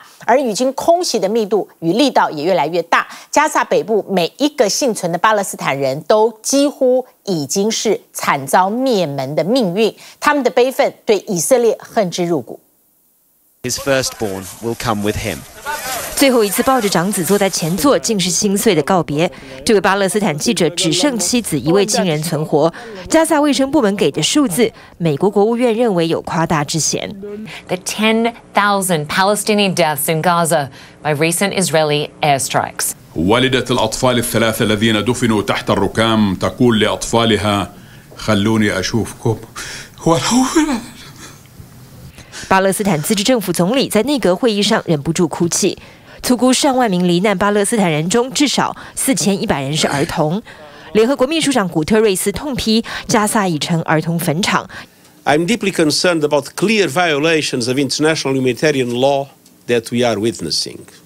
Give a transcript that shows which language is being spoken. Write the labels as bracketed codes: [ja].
[zh] 而已经空袭的密度与力道也越来越大，加萨北部每一个幸存的巴勒斯坦人都几乎已经是惨遭灭门的命运，他们的悲愤对以色列恨之入骨。 [en] His firstborn will come with him. [zh] 最后一次抱着长子坐在前座，竟是心碎的告别。这位巴勒斯坦记者只剩妻子一位亲人存活。加萨卫生部门给的数字，美国国务院认为有夸大之嫌。 [en] The 10,000 Palestinian deaths in Gaza by recent Israeli airstrikes. [ar] والدة الأطفال الثلاثة الذين دفنوا تحت الركام تقول لأطفالها خلوني أشوفكم ولو لا. [zh] 巴勒斯坦自治政府总理在内阁会议上忍不住哭泣。粗估上万名罹难巴勒斯坦人中，至少4100人是儿童。联合国秘书长古特瑞斯痛批加萨已成儿童坟场。 [en] I'm deeply concerned about clear violations of international humanitarian law that we are witnessing.